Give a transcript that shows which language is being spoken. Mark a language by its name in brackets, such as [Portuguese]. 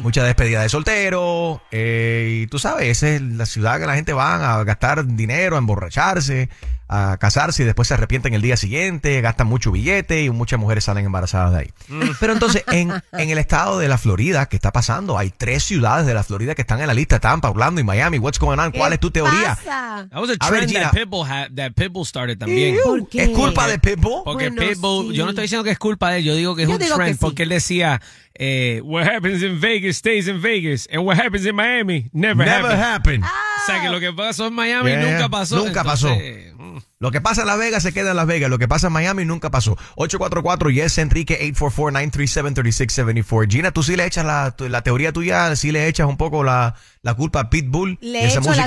[Spanish] Mucha despedida de soltero, y tú sabes, esa es la ciudad que la gente va a gastar dinero, a emborracharse, a casarse y después se arrepienten el día siguiente, gastan mucho billete y muchas mujeres salen embarazadas de ahí. Pero entonces, en el estado de la Florida, ¿qué está pasando? Hay tres ciudades de la Florida que están en la lista, Tampa, Orlando y Miami. [English] What's going on? [Spanish] ¿Cuál es tu teoría? [English] That was a trend, Gina, that Pitbull had, that Pitbull started también. [Spanish] ¿Es culpa de Pitbull? Porque bueno, Pitbull, sí. Yo no estoy diciendo que es culpa de él, yo digo que es un trend, sí. Porque él decía, [English] what happens in Vegas stays in Vegas, and what happens in Miami never happened. [Spanish] O sea, que lo que pasó en Miami nunca pasó. Lo que pasa en Las Vegas se queda en Las Vegas. Lo que pasa en Miami nunca pasó. 844-YES-ENRIQUE, 844-937-3674. Gina, tú sí le echas la teoría tuya, sí le echas un poco la culpa a Pitbull le de esa música